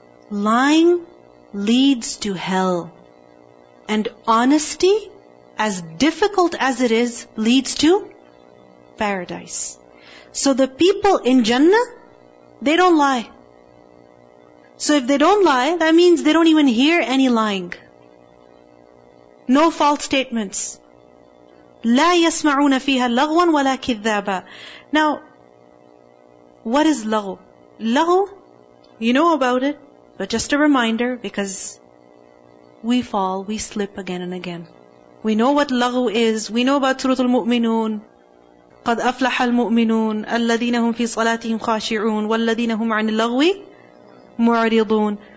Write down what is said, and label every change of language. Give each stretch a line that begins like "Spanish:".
English: Lying leads to hell. And honesty, as difficult as it is, leads to paradise. So the people in Jannah, they don't lie. So if they don't lie, that means they don't even hear any lying. No false statements.
Arabic: لا يسمعون فيها لغوا ولا كذابا.
English: Now, what is لغو? لغو, you know about it, but just a reminder, because we fall, we slip again and again. We know what لغو is, we know about Surah Al-Mu'minun.
Arabic: قَدْ أَفْلَحَ الْمُؤْمِنُونَ الَّذِينَ هُمْ فِي صَلَاتِهِمْ خَاشِعُونَ وَالَّذِينَ هُمْ عَنِ اللَّغْوِ مُعْرِضُونَ.